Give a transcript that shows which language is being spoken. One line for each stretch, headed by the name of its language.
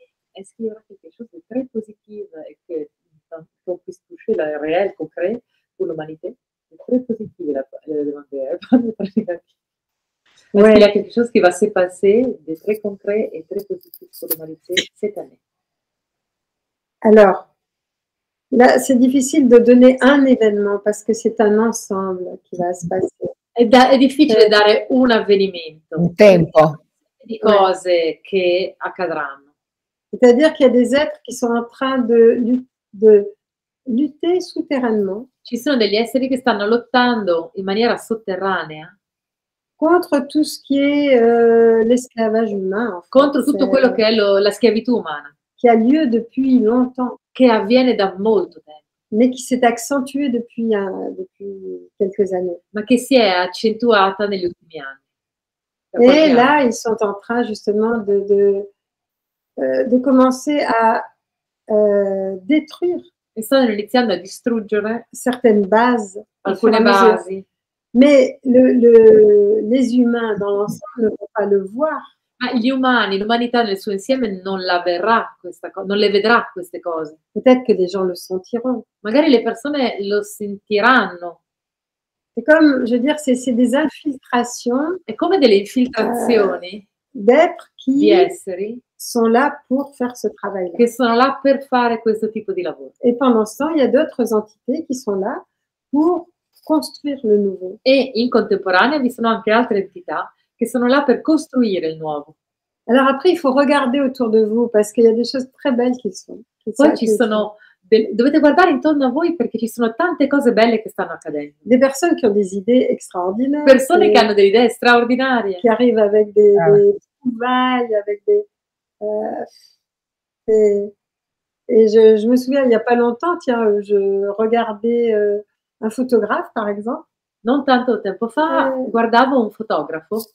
Italian: È scritto che ci sono tre positive e che sono più spuscite la real, concret, con l'umanità. Tre positive, la domanda è.
French: Ouais. Il y a quelque chose qui va se passer de très concret et très positif pour l'humanité cette année. Alors, là, c'est difficile de donner un événement parce que c'est un ensemble qui va se passer.
Italian: È difficile dare un avvenimento. Un tempo. Di cose ouais. che accadranno.
French: C'est-à-dire qu'il y a des êtres qui sont en train de lutter souterrainement.
Italian: Ci sono degli esseri che stanno lottando in maniera sotterranea.
French: Contre tout ce qui est l'esclavage humain. En
Italian: contre tutto quello che è la schiavitù umana.
French: Qui a lieu depuis longtemps.
Italian: Che avviene da molto tempo.
French: mais qui s'est accentuée depuis quelques années.
Italian: Ma che si è accentuata negli ultimi anni.
French: Et là, ils sont en train justement de commencer à détruire. Ils sont
Italian: iniziando a distruggere
French: certaines bases.
Italian: Alcune basi.
French: Mais les humains dans l'ensemble ne vont pas le voir.
Italian: Ah, gli umani, l'umanità nel suo insieme non la verrà questa cosa, non le vedrà queste cose.
French: Peut-être que les gens le sentiront.
Italian: Magari le persone lo sentiranno.
French: C'est comme, je veux dire, c'est des infiltrations.
Italian: È come delle infiltrazioni.
French: D'êtres qui
Italian: di esseri
French: sont là pour faire ce travail.
Italian: Che sono là per fare questo tipo di lavoro.
French: Et pendant ce temps, il y a d'autres entités qui sont là pour construire le nouveau.
Italian: E in contemporanea vi sono anche altre entità che sono là per costruire il nuovo.
French: Alors après, il faut regarder autour de vous parce qu'il y a des choses très belles qui sont.
Italian: Poi ci sono. Dovete guardare intorno a voi perché ci sono tante cose belle che stanno accadendo.
French: Des personnes qui ont des idées extraordinaires.
Italian: Persone che hanno delle idee straordinarie.
French: Qui arrivent avec des trouvailles, avec des. Et je me souviens, il n'y a pas longtemps, tiens, je regardais un photographe, par exemple.
Italian: Non tanto tempo fa, guardavo un fotografo.